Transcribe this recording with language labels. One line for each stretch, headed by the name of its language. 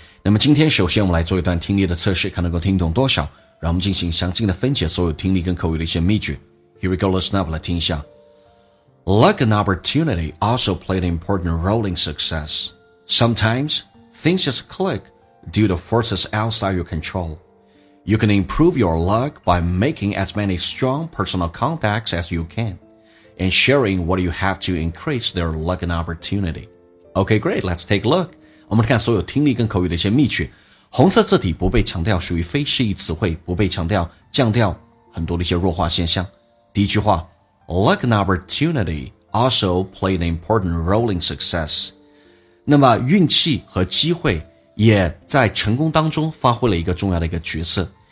Chinese: 那么今天首先我们来做一段听力的测试，看能够听懂多少，让我们进行详尽的分解所有听力跟口语的一些秘诀。
English: Here we go, listen up,
Chinese: 来听一下。
English: Luck and opportunity also played an important role in success. Sometimes, things just click due to forces outside your control. You can improve your luck by making as many strong personal contacts as you can. And sharing what you have to increase their luck and opportunity. Okay, great. Let's take a look.
Chinese: 我们看所有听力跟口语的一些秘诀。红色字体不被强调，属于非示意词汇，不被强调，降调很多的一些弱化现象。第一句话
English: ，luck and opportunity also played an important role in success.
Chinese: 那么运气和机会也在成功当中发挥了一个重要的一个角色。